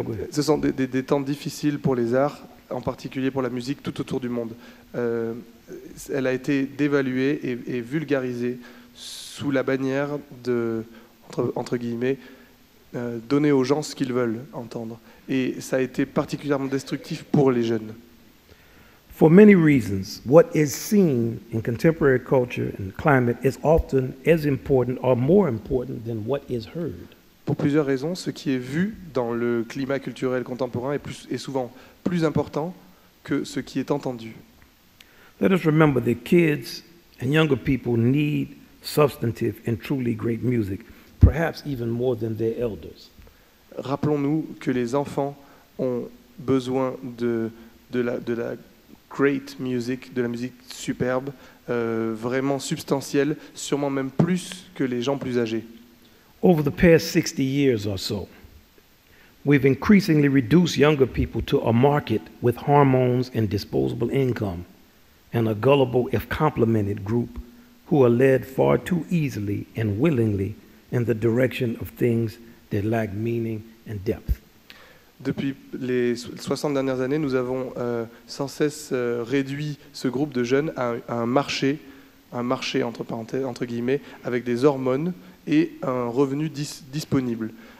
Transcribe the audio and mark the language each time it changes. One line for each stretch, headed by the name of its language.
French: Ce sont des temps difficiles pour les arts, en particulier pour la musique, tout autour du monde. Elle a été dévaluée et vulgarisée sous la bannière de, entre guillemets, donner aux gens ce qu'ils veulent entendre. Et ça a été particulièrement destructif pour les jeunes.
English: For many reasons, what is seen in contemporary culture and climate is often as important or more important than what is heard.
French: Pour plusieurs raisons, ce qui est vu dans le climat culturel contemporain est souvent plus important que ce qui est entendu.
English: Let us remember that kids and younger people need substantive and truly great music, perhaps even more than their elders.
French: Rappelons-nous que les enfants ont besoin de la
English: great music,
French: de la musique superbe, vraiment substantielle, sûrement même plus que les gens plus âgés.
English: Over the past 60 years or so, we've increasingly reduced younger people to a market with hormones and disposable income, and a gullible, if complimented, group who are led far too easily and willingly in the direction of things that lack meaning and depth.
French: Depuis les 60 dernières années, nous avons sans cesse réduit ce groupe de jeunes à un marché entre parenthèses, entre guillemets, avec des hormones et un revenu disponible.